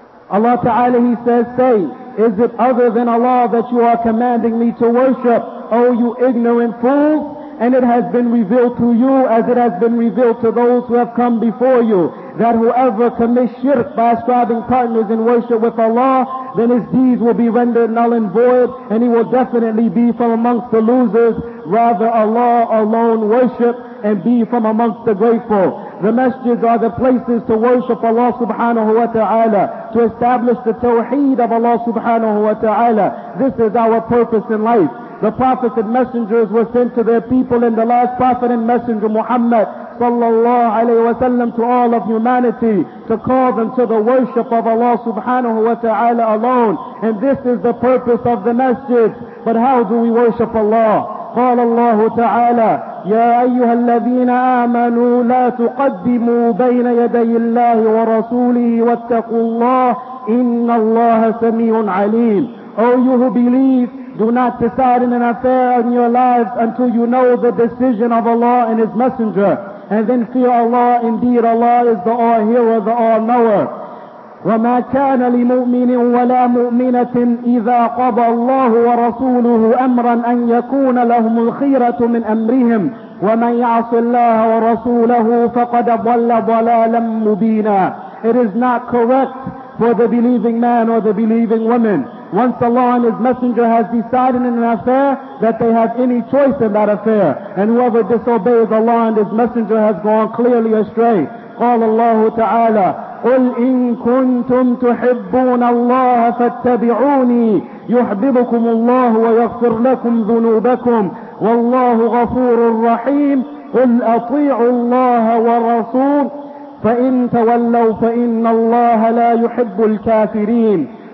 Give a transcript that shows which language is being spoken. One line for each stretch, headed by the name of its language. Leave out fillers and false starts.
English: Allah Ta'ala, he says, say, is it other than Allah that you are commanding me to worship, O you ignorant fools? And it has been revealed to you as it has been revealed to those who have come before you, that whoever commits shirk by ascribing partners in worship with Allah, then his deeds will be rendered null and void, and he will definitely be from amongst the losers. Rather, Allah alone worship and be from amongst the grateful. The masjids are the places to worship Allah subhanahu wa ta'ala, to establish the tawheed of Allah subhanahu wa ta'ala. This is our purpose in life. The prophets and messengers were sent to their people, and the last prophet and messenger Muhammad sallallahu alayhi wa sallam to all of humanity, to call them to the worship of Allah subhanahu wa ta'ala alone. And this is the purpose of the masjid. But how do we worship Allah?
Arabic: قال الله تعالى يا أيها الذين آمنوا لا تقدموا بين يدي الله ورسوله واتقوا الله إن الله سميع عليم.
English: O you who believe, do not decide in an affair in your lives until you know the decision of Allah and His Messenger. And then fear Allah, indeed Allah is the all-hearer, the all-knower.
Arabic: وَمَا كَانَ لِمُؤْمِنٍ وَلَا مُؤْمِنَةٍ إِذَا قَضَى اللَّهُ وَرَسُولُهُ أَمْرًا أَنْ يَكُونَ لَهُمُ الْخِيرَةُ مِنْ أَمْرِهِمْ وَمَنْ يَعْصِ اللَّهَ وَرَسُولَهُ فَقَدْ ضَلَّ ضَلَالًا مُبِينًا.
English: It is not correct for the believing man or the believing woman, once Allah and His Messenger has decided in an affair, that they have any choice in that affair. And whoever disobeys Allah and His Messenger has gone clearly astray.
Arabic: قال الله تعالى قل إن كنتم تحبون الله فاتبعوني يحببكم الله ويغفر لكم ذنوبكم والله غفور رحيم قل أطيعوا الله ورسول فإن تولوا فإن الله لا يحب الكافرين.